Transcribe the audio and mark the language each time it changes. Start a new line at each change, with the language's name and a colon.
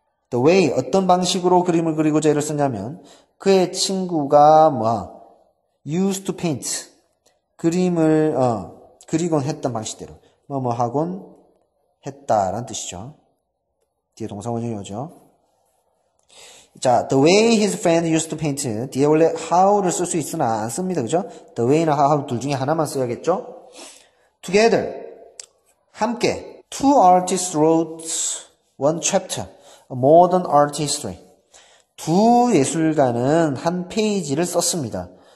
Korean: The way, 어떤 방식으로 그림을 그리고자 애를 썼냐면 그의 친구가 뭐
English: used to paint,
Korean: 그리곤 했던 방식대로. 뭐뭐 하곤 했다란 뜻이죠. 뒤에 동사 원형이 오죠.
English: 자, the way his friend used to paint.
Korean: 뒤에 원래 how를 쓸수 있으나 안 씁니다. 그죠? The way나 how 둘 중에 하나만 써야겠죠? Together. 함께.
English: Two artists wrote one chapter. A modern art history.
Korean: 두 예술가는 한 페이지를 썼습니다.